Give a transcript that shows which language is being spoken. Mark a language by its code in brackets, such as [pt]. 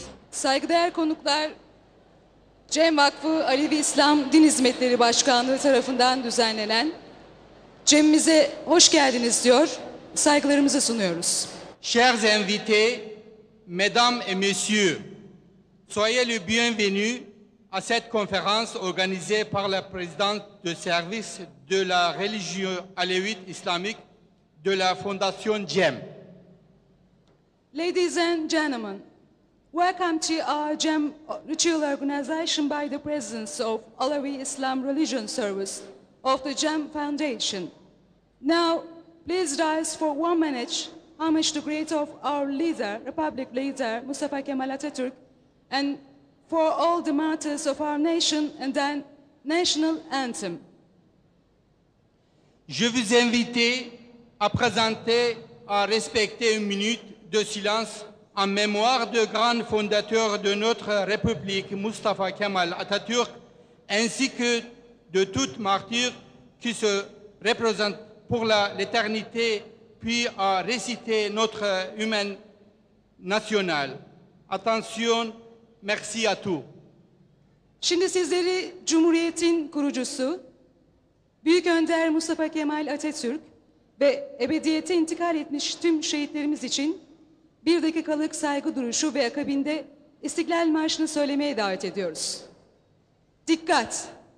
[tr] Saygıdeğer konuklar, Cem Vakfı Alevi İslam Din Hizmetleri Başkanlığı tarafından düzenlenen Cem'imize hoş geldiniz diyor, saygılarımızı sunuyoruz. [fr] Chers invités, mesdames et messieurs, soyez les bienvenus à cette conférence organisée par la présidente de service de la religion alevite islamique de la Fondation Cem. [en] Ladies and gentlemen, welcome to our Cem ritual organization by the presence of Alevi Islam Religion Service of the Cem Foundation. Now, please rise for 1 minute, homage to great of our leader, Republic leader, Mustafa Kemal Atatürk, and for all the martyrs of our nation, and then national anthem. [fr] Je vous invite à présenter, à respecter 1 minute de silence en mémoire du grand fondateur de notre République, Mustafa Kemal Atatürk, ainsi que de toute martyr qui se représente pour l'éternité, puis à réciter notre hymne national. Attention, merci à tous. [tr] Şimdi sizleri Cumhuriyet'in kurucusu, Büyük Önder Mustafa Kemal Atatürk ve ebediyete intikal etmiş tüm şehitlerimiz için bir dakikalık saygı duruşu ve akabinde İstiklal Marşı'nı söylemeye davet ediyoruz. Dikkat!